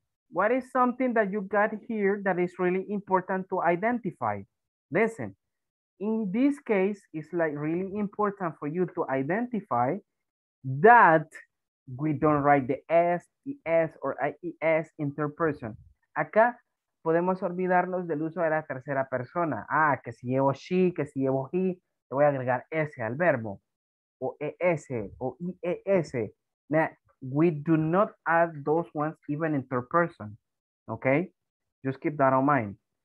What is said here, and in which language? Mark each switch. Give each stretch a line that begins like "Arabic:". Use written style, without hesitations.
English: What is something that you got here that is really important to identify? Listen, in this case, it's like really important for you to identify that we don't write the S, ES, or IES in third person.
Spanish: Acá podemos olvidarnos del uso de la tercera persona. Ah, que si llevo she, que si llevo he, le voy a agregar S al verbo. O ES, o IES.
English: Now, we do not add those ones even in third person. Okay? Just keep that in mind.